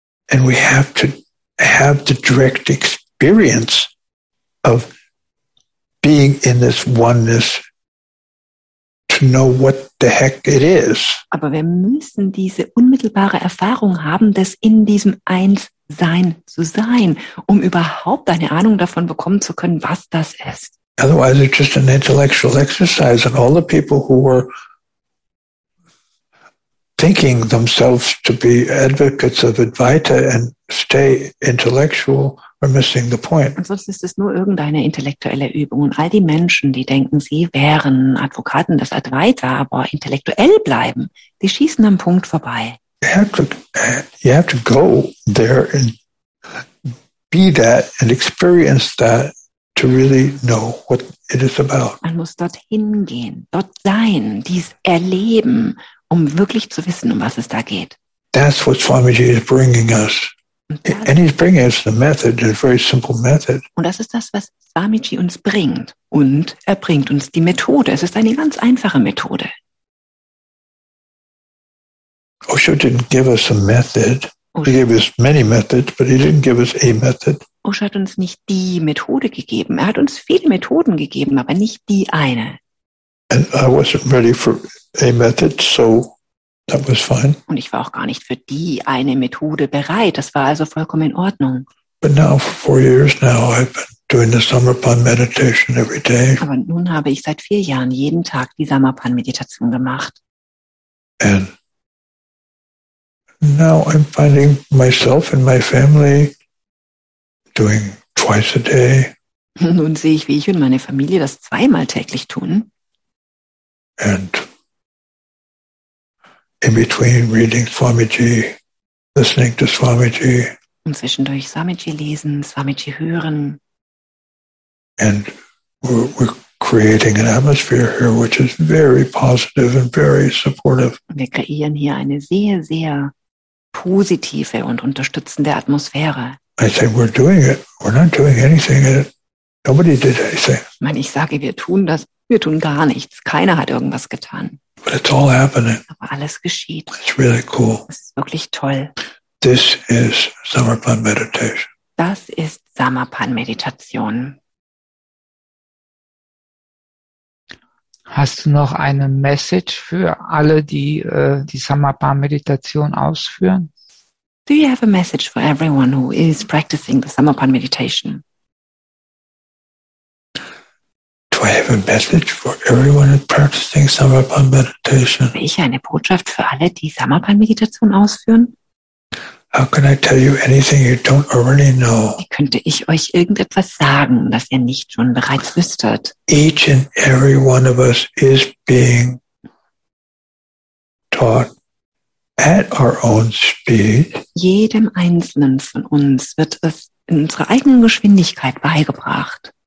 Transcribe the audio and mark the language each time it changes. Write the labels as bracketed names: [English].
[English] And we have to have the direct experience of being in this oneness to know what the heck it is. [German] Aber wir müssen diese unmittelbare Erfahrung haben, dass in diesem Eins sein zu sein, um überhaupt eine Ahnung davon bekommen zu können, was das ist. [English] Otherwise it's just an intellectual exercise and all the people who were thinking themselves to be advocates of Advaita and stay intellectual are missing the point. [German] Und sonst ist es nur irgendeine intellektuelle Übung und all die Menschen, die denken, sie wären Advokaten des Advaita, aber intellektuell bleiben, die schießen am Punkt vorbei. [English] You have to go there and be that and experience that to really know what it is about. [German] Man muss dorthin gehen, dort sein, dies erleben, um wirklich zu wissen, um was es da geht. [English] That's what Swamiji is bringing us. And he's bringing us the method, a very simple method. [German] Und das ist das, was Swamiji uns bringt. Und er bringt uns die Methode. Es ist eine ganz einfache Methode. [English] Osho didn't give us a method. He gave us many methods, but he didn't give us a method. [German] Osho hat uns nicht die Methode gegeben. Er hat uns viele Methoden gegeben, aber nicht die eine. [English] And I wasn't ready for a method, so that was fine. [German] Und ich war auch gar nicht für die eine Methode bereit. Das war also vollkommen in Ordnung. [English] But now for 4 years now, I've been doing the Samarpan meditation every day. [German] Aber nun habe ich seit 4 Jahren jeden Tag die Samarpan Meditation gemacht. [English] And now I'm finding myself and my family doing twice a day. [German] Nun sehe ich, wie ich und meine Familie das zweimal täglich tun. [English] And in between reading Swamiji, listening to Swamiji. [German] Und zwischendurch Swamiji lesen, Swamiji hören. [English] And we're creating an atmosphere here which is very positive and very supportive. [German] Wir kreieren hier eine sehr, sehr positive und unterstützende Atmosphäre. [English] I say we're doing it. We're not doing anything. Nobody did anything. [German] Ich sage, wir tun das. Wir tun gar nichts. Keiner hat irgendwas getan. [English] But it's all happening. [German] Aber alles geschieht. [English] It's really cool. [German] Es ist wirklich toll. [English] This is Samarpan meditation. [German] Das ist Samarpan Meditation. Hast du noch eine Message für alle, die die Samarpan Meditation ausführen? [English] Do you have a message for everyone who is practicing the Samarpan Meditation? Do I have a message for everyone who is practicing Samarpan Meditation? [German] Habe ich eine Botschaft für alle, die Samarpan Meditation ausführen? [English] How can I tell you anything you don't already know? [German] Wie könnte ich euch irgendetwas sagen, das ihr nicht schon bereits wüsstet? [English] Each and every one of us is being taught at our own speed. [German] Jedem einzelnen von uns wird es in unserer eigenen Geschwindigkeit beigebracht.